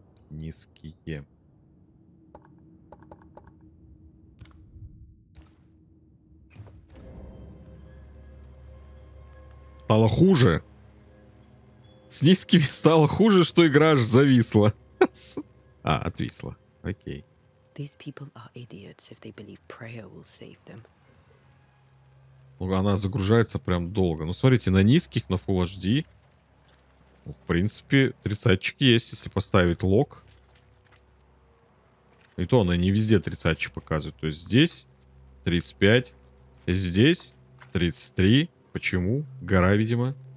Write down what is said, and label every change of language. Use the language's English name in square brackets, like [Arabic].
[Russian] Низкие. Стало хуже. С низкими стало хуже, что игра аж зависла. А, отвисла. Окей. [English] These people are idiots if they believe prayer will save them. [Russian] Ну, она загружается прям долго. Ну, смотрите, на низких, на Full HD. Ну, в принципе, 30-чик есть, если поставить лог. И то она не везде 30-чик показывает. То есть здесь 35, здесь 33. Почему? Гора, видимо.